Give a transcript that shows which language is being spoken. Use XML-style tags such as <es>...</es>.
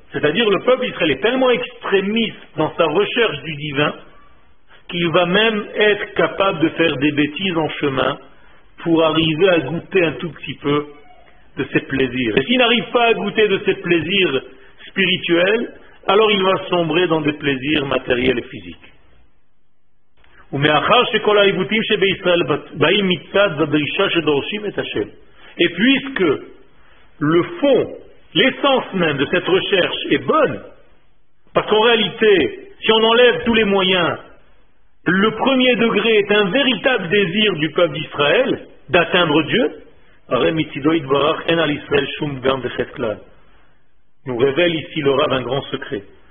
<fr>C'est-à-dire le peuple d'Israël est tellement extrémiste dans sa recherche du divin qu'il va même être capable de faire des bêtises en chemin pour arriver à goûter un tout petit peu de ses plaisirs. Et s'il n'arrive pas à goûter de ses plaisirs spirituels, alors il va sombrer dans des plaisirs matériels et physiques.</fr> <he>ומאחר שכל העיוותים שבישראל באים מצד הדרישה שדורשים את השם.</he> <fr>Et puisque le fond, l'essence même de cette recherche est bonne, parce qu'en réalité, si on enlève tous les moyens, le premier degré est un véritable désir du peuple d'Israël d'atteindre Dieu. Nous révèle ici le Rav un grand secret.</fr>